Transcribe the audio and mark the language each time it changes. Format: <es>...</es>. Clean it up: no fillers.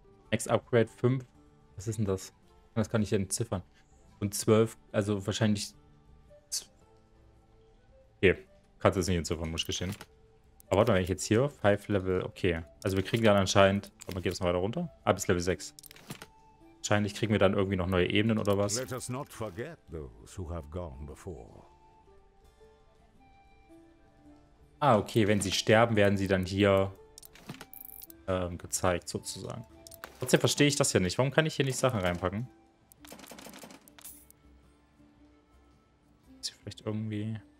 <en>Next Upgrade 5.</en> <de>Was ist denn das? Das kann ich ja entziffern. Und 12, also wahrscheinlich. Okay. Kannst du es nicht entziffern, muss ich gestehen. Aber warte mal, wenn ich jetzt hier 5 Level. Okay. Also wir kriegen dann anscheinend. Warte mal, geht das noch weiter runter? Ah, bis Level 6. Wahrscheinlich kriegen wir dann irgendwie noch neue Ebenen oder was.</de> <en>Let us not forget those who have gone before.</en> <de>Ah, okay. Wenn sie sterben, werden sie dann hier gezeigt, sozusagen. Trotzdem verstehe ich das ja nicht. Warum kann ich hier nicht Sachen reinpacken? Ist hier vielleicht irgendwie.</de>